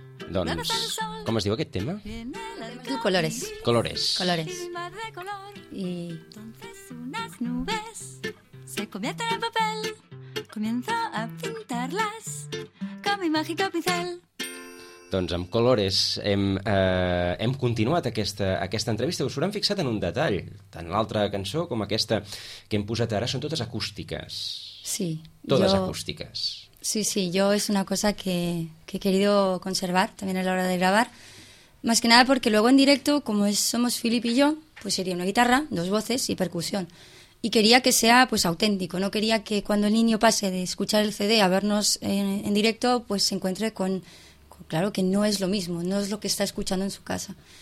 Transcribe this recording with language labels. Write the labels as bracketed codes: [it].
[ca] Doncs, com es diu aquest tema? [es] Colores. Colores. Colores. I... Entonces unas nubes se convierten en papel. Comienzo a pintarlas con mi mágico pincel. [ca] Doncs amb Colores hem continuat aquesta entrevista. Us hauran fixat en un detall, tant l'altra cançó com aquesta que hem posat ara són totes acústiques. Sí. Totes acústiques. [es] Sí, yo es una cosa que he querido conservar también a la hora de grabar, más que nada porque luego en directo, como somos Filip y yo, pues sería una guitarra, dos voces y percusión. Y quería que sea pues auténtico, no quería que cuando el niño pase de escuchar el CD a vernos en directo, pues se encuentre con claro que no es lo mismo, no es lo que está escuchando en su casa.